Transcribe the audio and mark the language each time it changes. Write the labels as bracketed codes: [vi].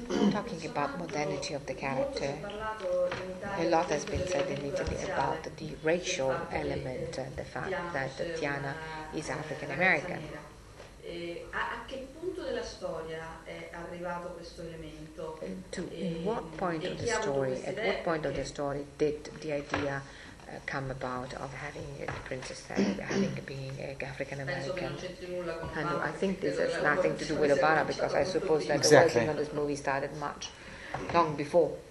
[en] Talking about modernity of the character, a lot has been said in Italy about the racial element, the fact that Tiana is African American. [it] A che punto della storia è arrivato questo elemento? [en] In what point of the story, at what point of the story did the idea come about of having the princess having been African American? And I think this has nothing to do with Obama, because I suppose that exactly. The working on this movie started much long before.